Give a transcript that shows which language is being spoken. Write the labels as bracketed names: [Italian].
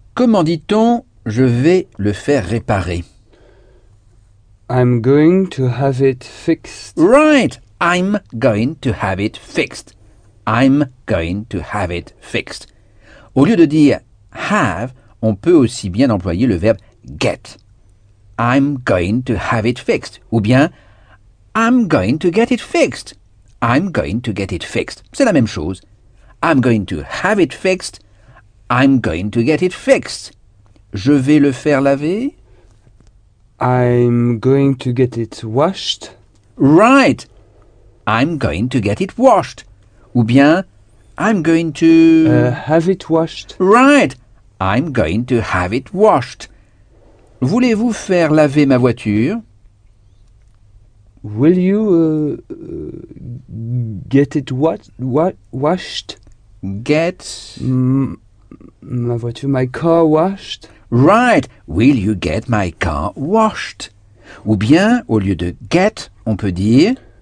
[French] Comment dit-on « je vais le faire réparer » ? [English] I'm going to have it fixed. Right! I'm going to have it fixed. I'm going to have it fixed. [French] Au lieu de dire « have », on peut aussi bien employer le verbe « get ». [English] I'm going to have it fixed. [French] Ou bien [English] « I'm going to get it fixed ». I'm going to get it fixed. [French] C'est la même chose. [English] I'm going to have it fixed. I'm going to get it fixed. [French] Je vais le faire laver. [English] I'm going to get it washed. Right. I'm going to get it washed. [French] Ou bien, [English] I'm going to... Have it washed. Right. I'm going to have it washed. [French] Voulez-vous faire laver ma voiture? [English] Will you get it washed? Get... [French] Ma voiture, [English] my car washed. Right. Will you get my car washed? [French] Ou bien, au lieu de get, on peut dire...